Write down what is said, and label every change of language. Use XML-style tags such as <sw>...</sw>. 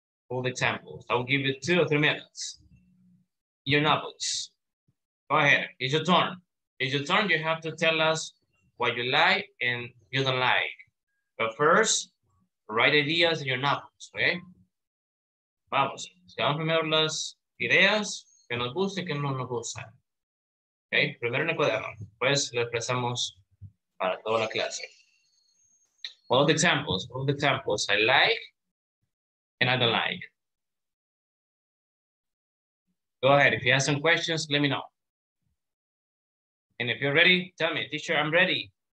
<en>I will give you 2 or 3 minutes. In your notebooks. Go ahead, it's your turn, you have to tell us what you like and you don't like. But first, write ideas in your notebooks, okay?</en> <es>Vamos, escribamos primero las ideas que nos gusta y que no nos gusta. Okay, primero en el cuaderno, pues lo expresamos para toda la clase.</es> <en>All the examples, I like and I don't like. Go ahead, if you have some questions, let me know. And if you're ready, tell me, teacher, I'm ready.</en>